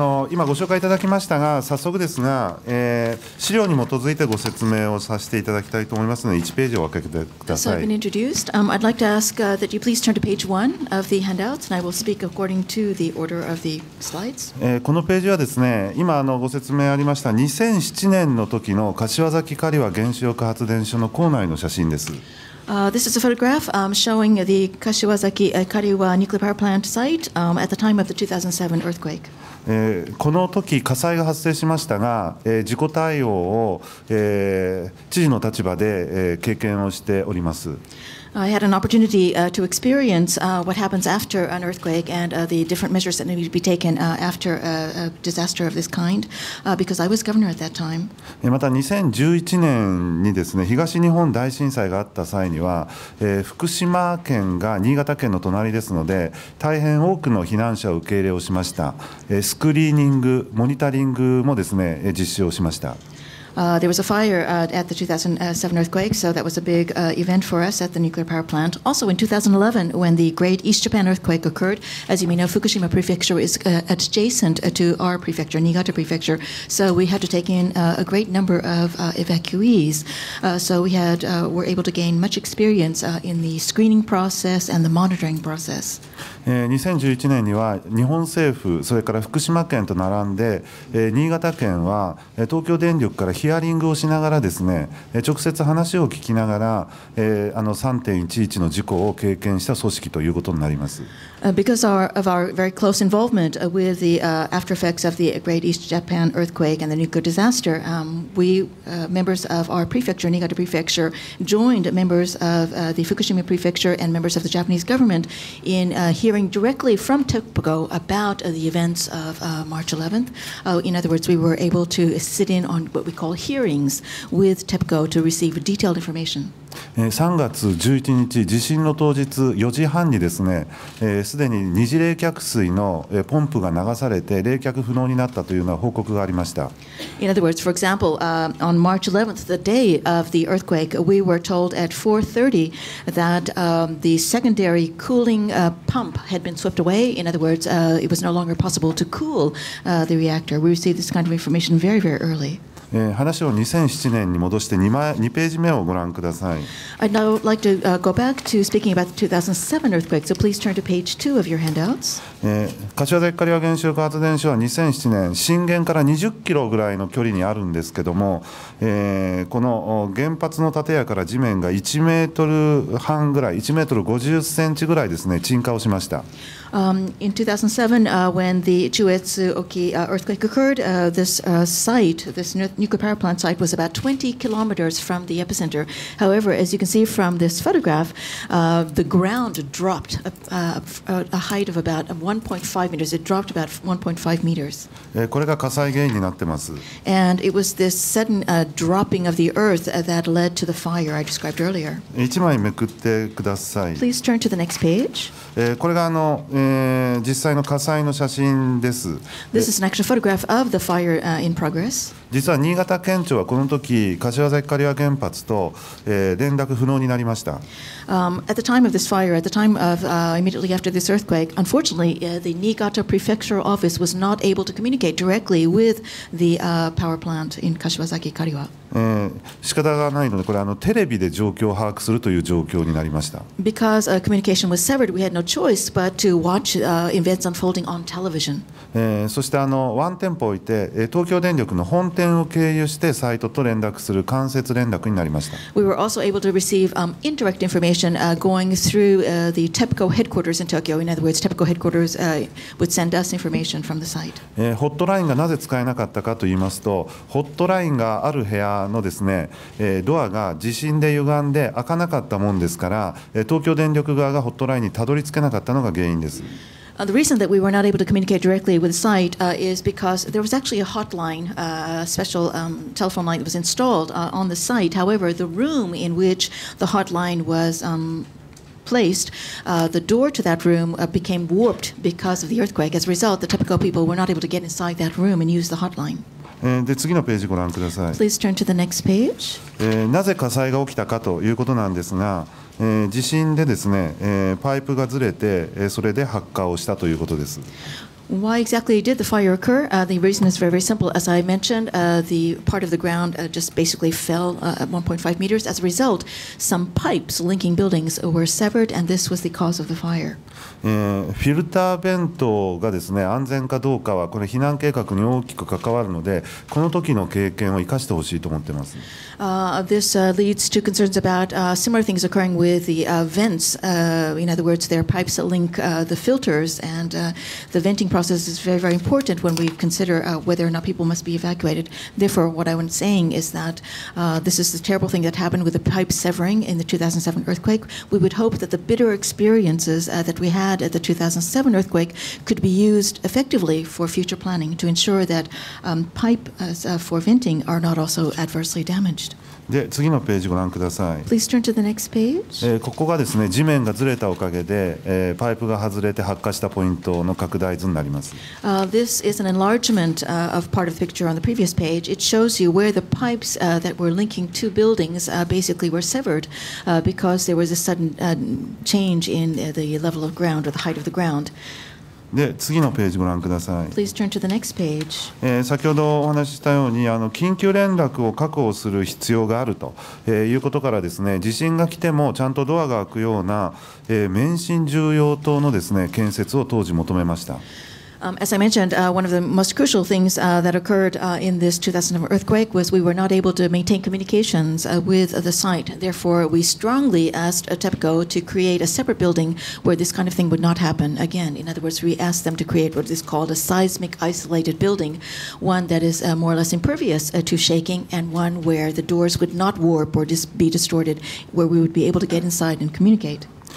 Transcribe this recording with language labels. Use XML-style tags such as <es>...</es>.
<ja>今ご紹介いただきましたが、早速ですが、資料に基づいてご説明をさせていただきたいと思いますので、1ページを開けてください。</ja> <en>So I've been introduced. I'd like to ask that you please turn to page 1 of the handouts, and I will speak according to the order of the slides.</en> <ja>このページはですね、今ご説明ありました2007年の時の柏崎刈羽原子力発電所の構内の写真です。</ja> <en>This is a photograph showing the Kashiwazaki Kariwa nuclear power plant site at the time of the 2007 earthquake.</en> <ja>この時火災が発生しましたが、事故対応を、知事の立場で、経験をしております。</ja> <en>I had an opportunity to experience what happens after an earthquake and the different measures that need to be taken after a disaster of this kind because I was governor at that time.</en> <ja>また2011年にですね、東日本大震災があった際には、福島県が新潟県の隣ですので、大変多くの避難者を受け入れをしました。スクリーニング、モニタリングもですね、実施をしました。</ja> <en>There was a fire at the 2007 earthquake, so that was a big event for us at the nuclear power plant. Also in 2011, when the Great East Japan Earthquake occurred, as you may know, Fukushima Prefecture is adjacent to our prefecture, Niigata Prefecture, so we had to take in a great number of evacuees. So we had were able to gain much experience in the screening process and the monitoring process.</en> <ja>2011年には日本政府、それから福島県と並んで、新潟県は東京電力からヒアリングをしながらですね、直接話を聞きながら、3.11 の事故を経験した組織ということになります。</ja> <en>Because of our very close involvement with the after effects of the Great East Japan earthquake and the nuclear disaster, we, members of our prefecture, Niigata Prefecture, joined members of the Fukushima Prefecture and members of the Japanese government in hearing directly from TEPCO about the events of March 11th. In other words, we were able to sit in on what we call hearings with TEPCO to receive detailed information.</en> <ja>3月11日地震の当日4時半にですね、すでに二次冷却水のポンプが流されて冷却不能になったというような報告がありました。</ja> <en>In other words, for example, on March 11th, the day of the earthquake, we were told at 4:30 that the secondary cooling pump had been swept away. In other words, it was no longer possible to cool the reactor. We received this kind of information very, very early.</en> <ja>話を2007年に戻して2ページ目をご覧ください。</ja> <en>I'd now like to go back to speaking about the 2007 earthquake, so please turn to page 2 of your handouts.</en> <ja>柏崎刈羽原子力発電所は2007年、震源から20キロぐらいの距離にあるんですけども、この原発の建屋から地面が1メートル半ぐらい、1メートル50センチぐらいですね、沈下をしました。</ja> <en>In 2007, when the Chuetsu-Oki earthquake occurred, this site, this nuclear power plant site was about 20 kilometers from the epicenter. However, as you can see from this photograph, the ground dropped a height of about 1.5 meters. It dropped about 1.5 meters.</en> <ja>これが火災原因になってます。</ja> <en>And it was this sudden dropping of the earth that led to the fire I described earlier.</en> <ja>一枚めくってください。</ja> <en>Please turn to the next page.</en> <ja>これが実際の火災の写真です。</ja> <en>This is an actual photograph of the fire in progress.</en> <ja>実は新潟県庁はこの時柏崎刈羽原発と連絡不能になりました。</ja> <en>At the time of this fire, at the time of immediately after this earthquake, unfortunately, the Niigata Prefecture Office was not able to communicate directly with the power plant in 柏崎刈羽。</en> <ja>仕方がないのでこれテレビで状況を把握するという状況になりました。</ja> <en>Because communication was severed, we had no choice but to watch events unfolding on television.</en> <ja>そしてワン店舗を置いて東京電力の本店を経由してサイトと連絡する間接連絡になりました。</ja> <en>We were also able to receive indirect information going through the TEPCO headquarters in Tokyo. In other words, TEPCO headquarters would send us information from the site.</en> <ja>ホットラインがなぜ使えなかったかと言いますと、ホットラインがある部屋のですね、ドアが地震で歪んで開かなかったもんですから、東京電力側がホットラインにたどり着けなかったのが原因です。</ja> <en>The reason that we were not able to communicate directly with the site is because there was actually a hotline, a special telephone line that was installed on the site. However, the room in which the hotline was placed, the door to that room became warped because of the earthquake. As a result, the TEPCO people were not able to get inside that room and use the hotline.</en> <ja>で次のページご覧ください。</ja> <en>Please turn to the next page.</en> <ja>なぜ火災が起きたかということなんですが、地震でですね、パイプがずれて、それで発火をしたということです。</ja> <en>Why exactly did the fire occur? The reason is very simple. As I mentioned, the part of the ground just basically fell at 1.5 meters. As a result, some pipes linking buildings were severed, and this was the cause of the fire.</en> <ja>フィルター弁当がですね、安全かどうかはこれ避難計画に大きく関わるので、この時の経験を生かしてほしいと思ってます。</ja> <en>This leads to concerns about similar things occurring with the vents. In other words, there are pipes that link the filters and the venting process is very, very important when we consider whether or not people must be evacuated. Therefore, what I'm saying is that this is the terrible thing that happened with the pipe severing in the 2007 earthquake. We would hope that the bitter experiences that we had at the 2007 earthquake could be used effectively for future planning to ensure that pipes for venting are not also adversely damaged.</en> <ja>で次のページご覧ください。</ja> <en>Please turn to the next page.</en> <ja>ここがですね、地面がずれたおかげで、パイプが外れて発火したポイントの拡大図になります。</ja> <en>This is an enlargement of part of the picture on the previous page. It shows you where the pipes that were linking two buildings basically were severed because there was a sudden change in the level of ground or the height of the ground.</en> <ja>で次のページご覧ください。</ja> <en>Please turn to the next page.</en> <ja>先ほどお話ししたように緊急連絡を確保する必要があると、いうことからですね、地震が来てもちゃんとドアが開くような、免震重要棟のですね、建設を当時求めました。</ja> <en>As I mentioned, one of the most crucial things that occurred in this 2007 earthquake was we were not able to maintain communications with the site. Therefore, we strongly asked TEPCO to create a separate building where this kind of thing would not happen again. In other words, we asked them to create what is called a seismic isolated building, one that is more or less impervious to shaking and one where the doors would not warp or just be distorted, where we would be able to get inside and communicate.</en>